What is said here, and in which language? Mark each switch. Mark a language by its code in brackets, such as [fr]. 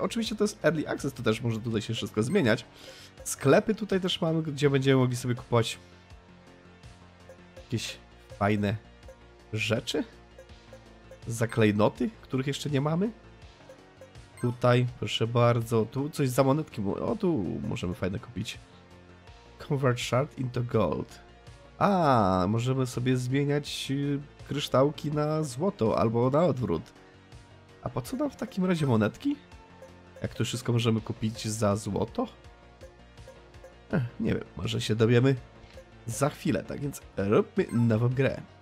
[pl] Oczywiście to jest Early Access, to też może tutaj się wszystko zmieniać. Sklepy tutaj też mamy, gdzie będziemy mogli sobie kupować jakieś fajne rzeczy. Zaklejnoty, których jeszcze nie mamy. Tutaj, proszę bardzo, tu coś za monetki. O, tu możemy fajne kupić. [en] Convert Shard into Gold. [pl] A, możemy sobie zmieniać kryształki na złoto, albo na odwrót. A po co nam w takim razie monetki? Jak to wszystko możemy kupić za złoto? Nie wiem, może się dowiemy za chwilę, tak więc róbmy nową grę.